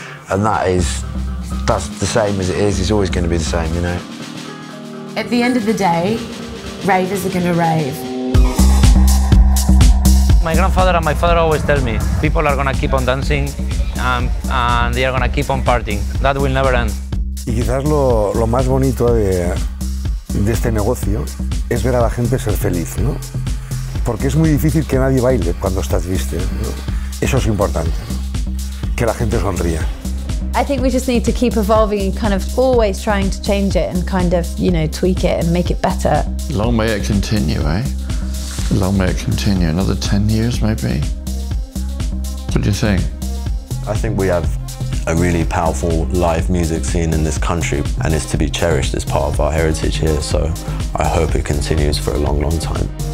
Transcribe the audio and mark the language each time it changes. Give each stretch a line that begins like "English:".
English: And that's the same as it is. It's always going to be the same, you know. At the end of the day, ravers are going to rave. My grandfather and my father always tell me, people are gonna keep on dancing and they are gonna keep on partying. That will never end.
Spanish: Y quizás lo más bonito de este negocio es ver a la gente ser feliz, ¿no? Porque es muy difícil que nadie baile cuando está triste, ¿no? Eso es importante, ¿no? Que la gente sonría.
English: I think we just need to keep evolving and kind of always trying to change it and kind of, you know, tweak it and make it better. Long may it continue, eh? Long may it continue. Another 10 years, maybe? What do you think? I think we have a really powerful live music scene in this country and it's to be cherished as part of our heritage here, so I hope it continues for a long, long time.